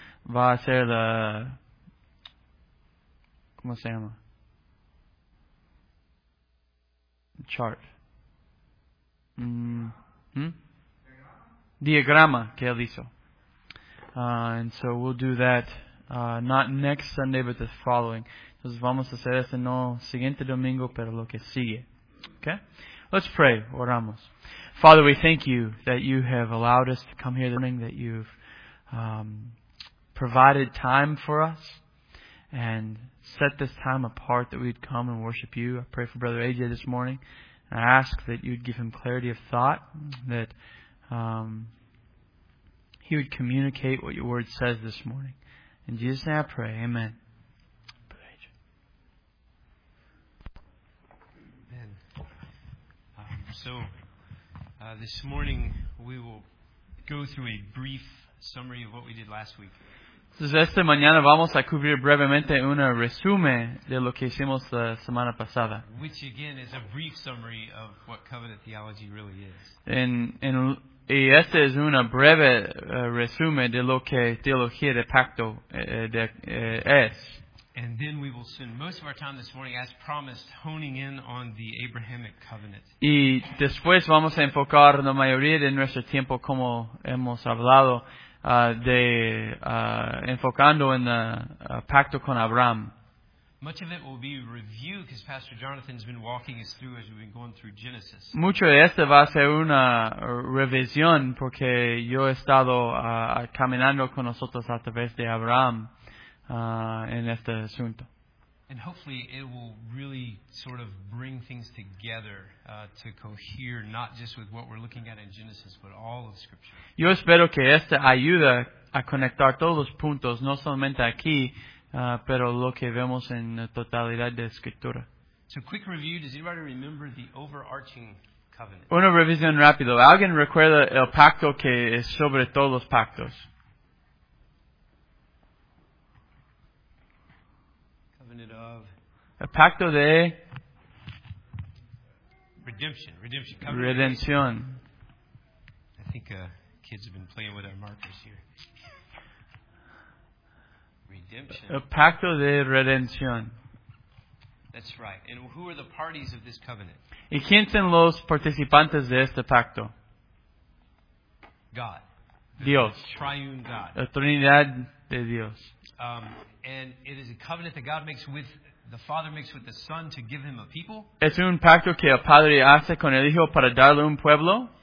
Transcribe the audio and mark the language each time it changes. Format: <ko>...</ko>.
<es>Va a hacer la, ¿cómo se llama?</es> <en>Chart.</en> <es>Diagrama que él hizo.</es> <en>And so we'll do that, not next Sunday, but the following.</en> <es>Entonces vamos a hacer esto no siguiente domingo, pero lo que sigue.</es> <en>Okay? Let's pray.</en> <es>Oramos.</es> <en>Father, we thank you that you have allowed us to come here this morning, that you've provided time for us and set this time apart that we'd come and worship you. I pray for Brother AJ this morning. And I ask that you'd give him clarity of thought, that he would communicate what your word says this morning. In Jesus' name I pray. Amen. So this morning we will go through a brief summary of what we did last week.</en> <es>Esta mañana vamos a cubrir brevemente un resumen de lo que hicimos la semana pasada.</es> <en>Which again is a brief summary of what covenant theology really is.</en> <es>Y este es un breve resumen de lo que teología de pacto es.</es> <en>And then we will spend most of our time this morning, as promised, honing in on the Abrahamic covenant.</en> <es>Y después vamos a enfocar la mayoría de nuestro tiempo, como hemos hablado, enfocando en el pacto con Abraham.</es> <en>Much of it will be review, because Pastor Jonathan has been walking us through as we've been going through Genesis.</en> <es>Mucho de esto va a ser una revisión, porque yo he estado caminando con nosotros a través de Abraham. En este asunto.</es> <en>And hopefully it will really sort of bring things together to cohere not just with what we're looking at in Genesis but all of Scripture.</en> <es>Yo espero que esta ayuda a conectar todos los puntos, no solamente aquí, pero lo que vemos en la totalidad de Escritura.</es> <en>So quick review, does anybody remember the overarching covenant?</en> <es>Una revisión rápida. ¿Alguien recuerda el pacto que es sobre todos los pactos?</es> <en>Of</en> <es>a pacto de</es> <en>redemption.</en> <es>Redención.</es> <en>I think kids have been playing with our markers here. Redemption.</en> <es>A pacto de redención.</es> <en>That's right. And who are the parties of this covenant?</en> <es>¿Y quiénes son los participantes de este pacto?</es> <en>God.</en> <es>Dios.</es> <en>The triune God.</en> <es>La Trinidad de Dios.</es> <en>And it is a covenant that God makes with the Father makes with the Son to give him a people.</en> <es>Es un pacto que el Padre hace con el Hijo para darle un pueblo.</es>